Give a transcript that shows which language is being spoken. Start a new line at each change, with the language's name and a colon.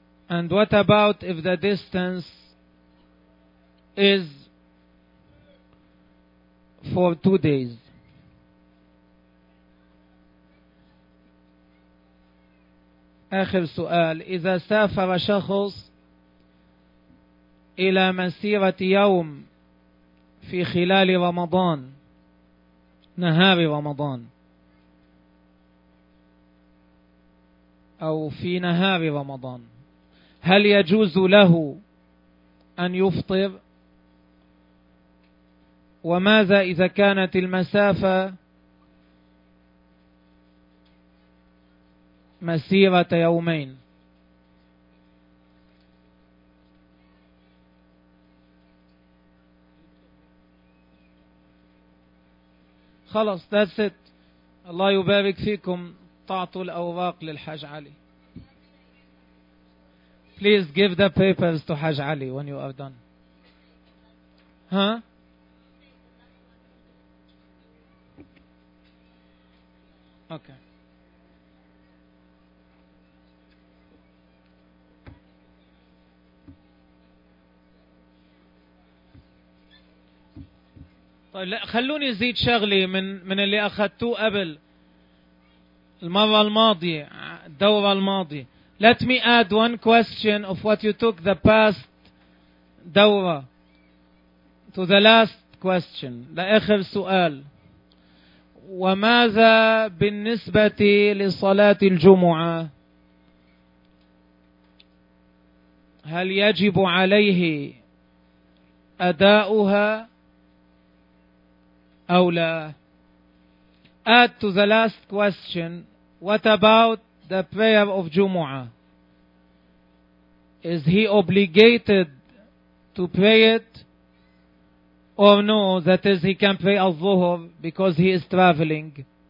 English: And what about if the distance is for 2 days?
Arabic: آخر سؤال, إذا سافر شخص إلى مسيرة يوم في خلال رمضان, نهار رمضان أو في نهار رمضان, هل يجوز له أن يفطر؟ وماذا إذا كانت المسافة مسيرة يومين؟
English: خلاص that's it.
Arabic: الله يبارك فيكم. تعطوا الأوراق للحاج علي.
English: Please give the papers to حاج علي when you are done. Huh? Okay.
Arabic: طيب خلوني أزيد شغلي من اللي أخذته قبل المرة الماضية الدورة الماضية.
English: Let me add one question of what you took the past دورة to the last question.
Arabic: لآخر سؤال. وماذا بالنسبة لصلاة الجمعة؟ هل يجب عليه أداؤها أو لا؟
English: Add to the last question. What about the prayer of Jumu'ah? Is he obligated to pray it or no? That is, he can pray al-Zuhr because he is traveling.